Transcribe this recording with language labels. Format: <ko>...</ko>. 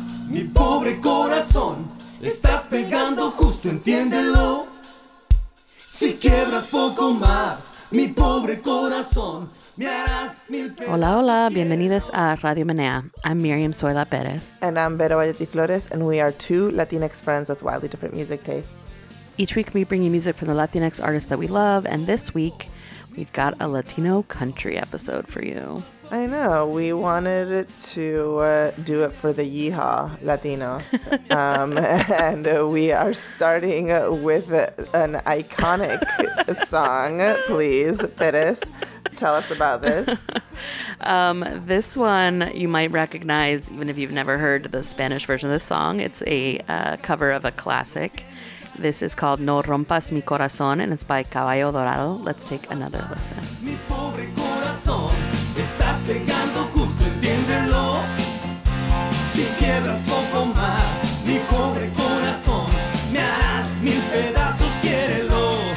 <es>Mi pobre corazón, estás pegando justo, entiéndelo. Si quiebras poco más, mi pobre corazón, me harás mil pedazos. Hola, hola, bienvenidos a Radio Menea.</es> <en>I'm</en> <es>Miriam Soyla Perez.</es> <en>And I'm Vero Valletti Flores, and we are two Latinx friends with wildly different music tastes. Each week we bring you music from the Latinx artists that we love, and this week we've got a Latino country episode for you. I know. We wanted to do it for the Yeehaw Latinos. we are starting with an iconic song. Please, Perez, tell us about this. This one you might recognize even if you've never heard the Spanish version of this song. It's a cover of a classic. This is called No Rompas Mi Corazón, and it's by Caballo Dorado. Let's take another listen.</en> <es>Mi pobre corazón, estás pegando justo, entiéndelo. Si quieres poco más, mi pobre corazón, me harás mil pedazos, quiérelo.</es>